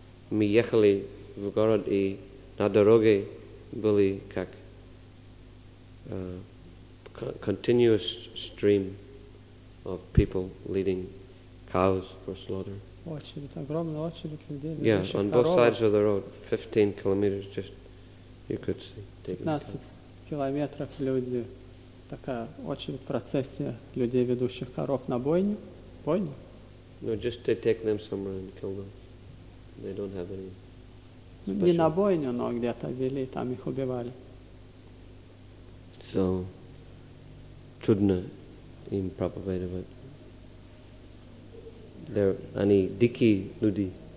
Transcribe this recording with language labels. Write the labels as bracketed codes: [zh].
[ru] Мы ехали в город, и на дороге были как [en] continuous stream of people leading cows for slaughter. [ru] Очередь, огромная очередь людей. [en] Yeah, on both sides of the road, 15 kilometers, just you could see. [ru] 15 километров люди, такая очередь, процессия людей, ведущих коров на бойню. [en] No, just to take them somewhere and kill them. They don't have any special... [ru] Не на бойню, но где-то вели, там их убивали. So, трудно им проповедовать. Они дикие люди.